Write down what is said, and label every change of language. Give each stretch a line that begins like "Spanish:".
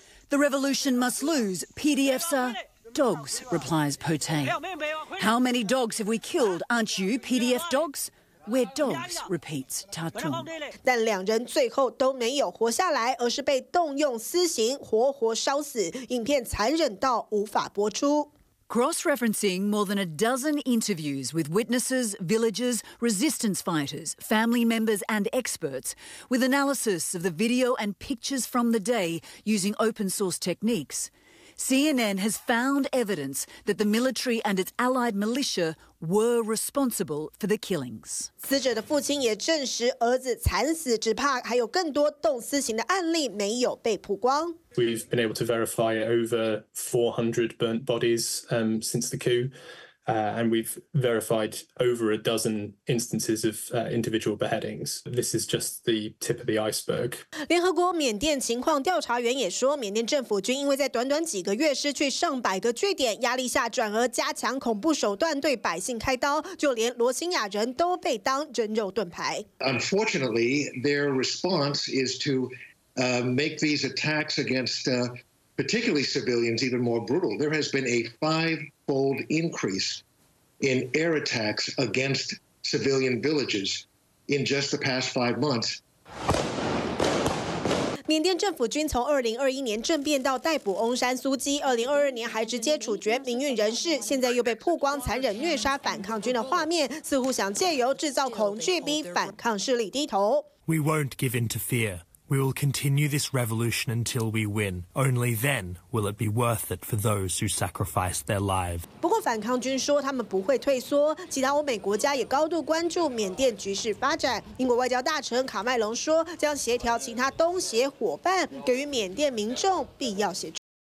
English: The revolution must lose, PDF sir. Dogs, replies Potain. How many dogs have we killed? Aren't you PDF dogs? We're dogs, repeats Tatung.
Chinese: 但两人最后都没有活下来，而是被动用私刑活活烧死。影片残忍到无法播出。
English: Cross-referencing more than a dozen interviews with witnesses, villagers, resistance fighters, family members and experts, with analysis of the video and pictures from the day using open source techniques,CNN has found evidence that the military and its allied militia were responsible for the killings.
Chinese: 死者的父亲也证实儿子惨死，只怕还有更多动私刑的案例没有被曝光。
English: We've been able to verify over 400 burnt bodies since the coup, and we've verified over a dozen instances of individual beheadings. This is just the tip of the iceberg.
Chinese: 联合国缅甸情况调查员也说，缅甸政府军因为在短短几个月失去上百个据点，压力下转而加强恐怖手段，对百姓开刀，就连罗兴亚人都被当人肉盾牌。
English: Unfortunately, their response is to make these attacks against particularly civilians even more brutal. There has been a fivefold increase in air attacks against civilian villages in just the past 5 months.
Chinese: 缅甸政府军从2021年政变到逮捕翁山苏姬，2022年还直接处决民运人士，现在又被曝光残忍虐杀反抗军的画面，似乎想借由制造恐惧逼反抗势力低头。
English: We won't give in to fear. We will continue this revolution until we win. Only then will it be worth it for those who sacrificed their lives.
Chinese: 不过反抗军说他们不会退缩，其他欧美国家也高度关注缅甸局势发展。英国外交大臣卡麦隆说将协调其他东协伙伴给予缅甸民众必要协助。